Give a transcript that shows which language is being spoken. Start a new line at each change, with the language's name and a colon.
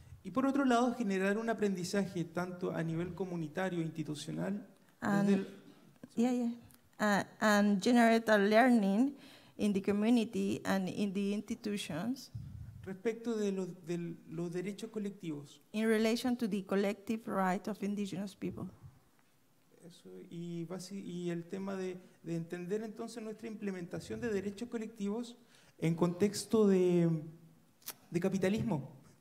Spanish: Y por otro lado, generar un aprendizaje tanto a nivel comunitario e institucional.
English: And generate a learning in the community and in the institutions.
Spanish: Respecto de los derechos colectivos.
English: In relation to the collective right of indigenous people.
Spanish: Eso, y el tema de entender entonces nuestra implementación de derechos colectivos en contexto de capitalismo.